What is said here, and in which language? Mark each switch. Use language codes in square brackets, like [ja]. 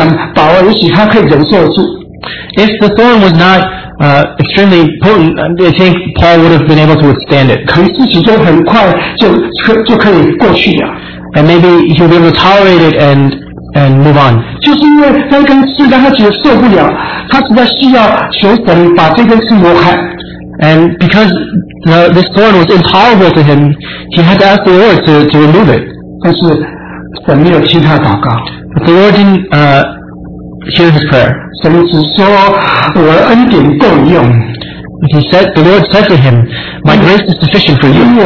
[zh] 若是那根刺不是很厉害的话，我想保罗也许他可以忍受住。 [en] If the thorn was not extremely potent, I think Paul would have been able to withstand it. [zh] 可能事情就很快就可以过去了。 [en] And maybe he would be able to tolerate it and move on. [zh] 就是因为那根刺让他觉得受不了，他实在需要求神把这根刺挪开。 [en] And because this thorn was intolerable to him, he had to ask the Lord to remove it. [zh] 但是神没有听他祷告。 [en] But the Lord didn't hear his prayer. [zh] 神只说我恩典够用。 [en] He said, the Lord said to him, My grace is sufficient for you.